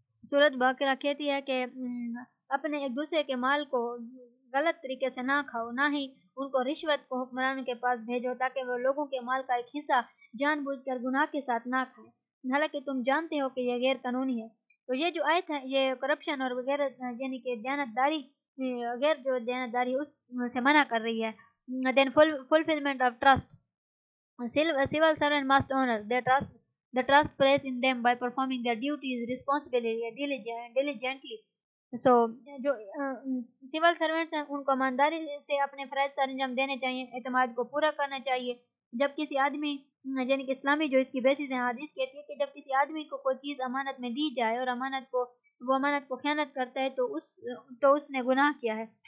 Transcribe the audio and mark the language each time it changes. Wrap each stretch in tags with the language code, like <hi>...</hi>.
<ur>سورت بقرہ کہتی ہے کہ اپنے ایک دوسرے کے مال کو غلط طریقے سے نہ کھاؤ, نہ ہی ان کو رشوت کو حکمران کے پاس بھیجو تاکہ وہ لوگوں کے مال کا ایک حصہ جان بوجھ کر گناہ کے ساتھ نہ کھائے, حالانکہ تم جانتے ہو کہ یہ غیر قانونی ہے. تو یہ جو آیت ہے یہ کرپشن اور غیر یعنی کہ دیانتداری غیر جو دیانتداری اس سے منع کر رہی ہے.</ur> <en>Then fulfilment of trust, civil servant must honour their trust the trust placed in them by performing their duties responsibly and diligently.</en> <ur>So جو سول سروینٹس ہیں ان کو ایمانداری سے اپنے فرائض سر انجام دینے چاہیے, اعتماد کو پورا کرنا چاہیے. جب کسی آدمی, یعنی کہ اسلامی جو اس کی بیسز ہیں, حدیث کہتی ہے کہ جب کسی آدمی کو کوئی چیز امانت میں دی جائے اور امانت کو وہ امانت کو خیانت کرتا ہے تو اس نے گناہ کیا ہے.</ur>